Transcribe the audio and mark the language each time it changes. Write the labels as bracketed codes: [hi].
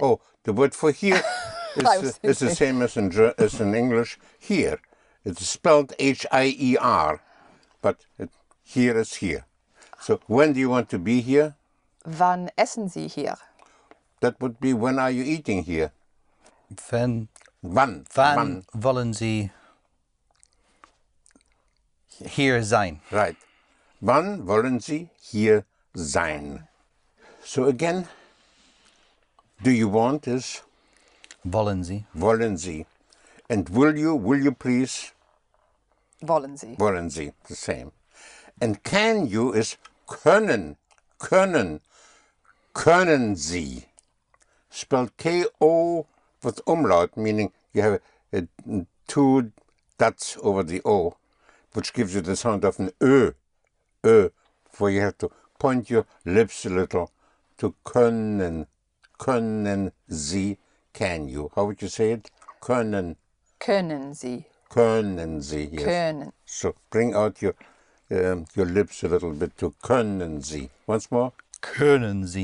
[en] Oh, the word for here is the same as in English, here. It's spelled H-I-E-R, but here is here. So, when do you want to be here? [de] Wann essen Sie hier? [en] That would be, when are you eating here? [de] Wenn. Wann. Wann, wann wollen Sie hier sein? [en] Right. [de] Wann wollen Sie hier sein? [en] So again, do you want is? [de] Wollen Sie. Wollen Sie. [en] And will you please? [de] Wollen Sie. Wollen Sie, [en] the same. And can you is [de] können, können, können Sie. [en] Spelled K-O with umlaut, meaning you have two dots over the O, which gives you the sound of an Ö, Ö, for you have to point your lips a little. To [de] können, können Sie, [en] can you? How would you say it? Können. [de] Können Sie. Können Sie, yes. Können. [en] So bring out your lips a little bit to [de] können Sie. [en] Once more. [de] Können Sie.